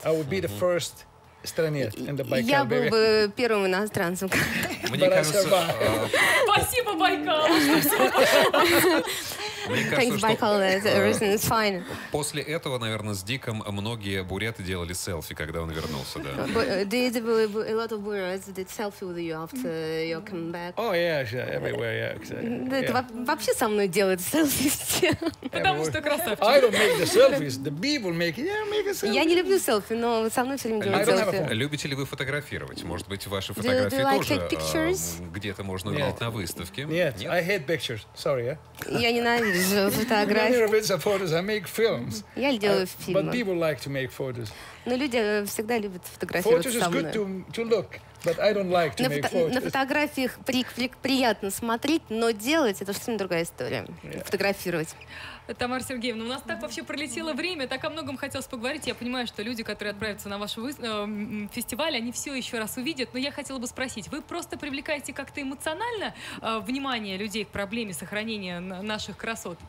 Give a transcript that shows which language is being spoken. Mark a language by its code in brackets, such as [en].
[en] I would be the first [ru] Странец, [en] in the Baikal, [ru] я был бы первым иностранцем. Мне кажется... Спасибо, Байкал! [en] Thanks, Байкал. It's fine. [ru] После этого, наверное, с Диком многие буряты делали селфи, когда он вернулся, да. [en] Did a lot of buryats did selfie with you after your comeback? Oh yeah, everywhere, yeah. [ru] Это вообще со мной делают селфи все. Потому что красавчик. [en] I don't make the selfies. The people make it. Yeah, make a selfie. [ru] Я не люблю селфи, но со мной все время делают селфи. Любите ли вы фотографировать? Может быть, ваши фотографии тоже где-то можно увидеть на выставке? Нет, [en] I hate pictures. Sorry, yeah. [ru] Я ненавижу фотографии. [en] None of it's a photos. I make films. [ru] Я делаю фильмы. [en] But people like to make photos. [ru] Но люди всегда любят фотографировать со мной. [en] Photos is good to look, but I don't like to make photos. [ru] На фотографиях приятно смотреть, но делать — это совсем другая история. [en] Yeah. [ru] Фотографировать. Тамара Сергеевна, у нас так вообще пролетело время, так о многом хотелось поговорить. Я понимаю, что люди, которые отправятся на ваш фестиваль, они все еще раз увидят. Но я хотела бы спросить, вы просто привлекаете как-то эмоционально внимание людей к проблеме сохранения наших красот?